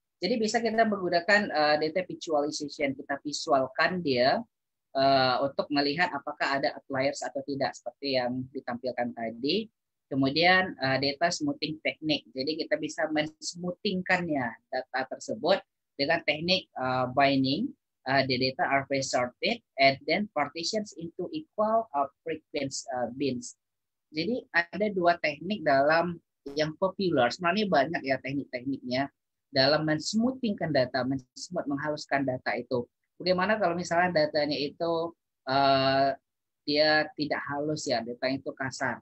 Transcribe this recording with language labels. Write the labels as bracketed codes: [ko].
[id] Jadi bisa kita menggunakan data visualization, kita visualkan dia untuk melihat apakah ada outliers atau tidak seperti yang ditampilkan tadi. Kemudian data smoothing technique. Jadi kita bisa men-smoothingkannya data tersebut dengan teknik binding. [en] The data are pre-sorted and then partitions into equal frequency bins. [id] Jadi ada dua teknik dalam yang populer. Sebenarnya banyak ya teknik-tekniknya dalam men-smoothingkan data, men-smooth menghaluskan data itu. Bagaimana kalau misalnya datanya itu dia tidak halus ya, data itu kasar.